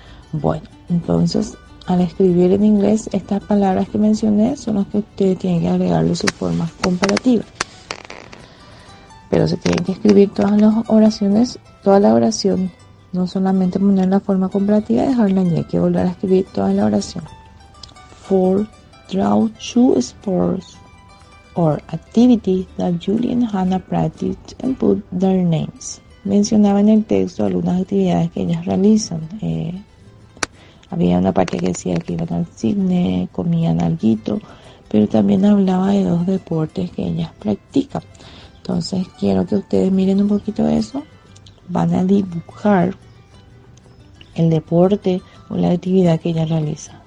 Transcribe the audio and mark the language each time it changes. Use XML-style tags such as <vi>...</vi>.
<es>Bueno, entonces, al escribir en inglés, estas palabras que mencioné son las que ustedes tienen que agregarle su forma comparativa. Pero se tienen que escribir todas las oraciones, toda la oración. No solamente poner la forma comparativa y dejarla allí. Hay que volver a escribir toda la oración.</es> <en>For draw two sports or activities that Julie and Hannah practiced and put their names.</en> <es>Mencionaba en el texto algunas actividades que ellas realizan. Había una parte que decía que iban al cine, comían alguito, pero también hablaba de dos deportes que ellas practican. Entonces quiero que ustedes miren un poquito eso. Van a dibujar el deporte o la actividad que ella realiza.</es>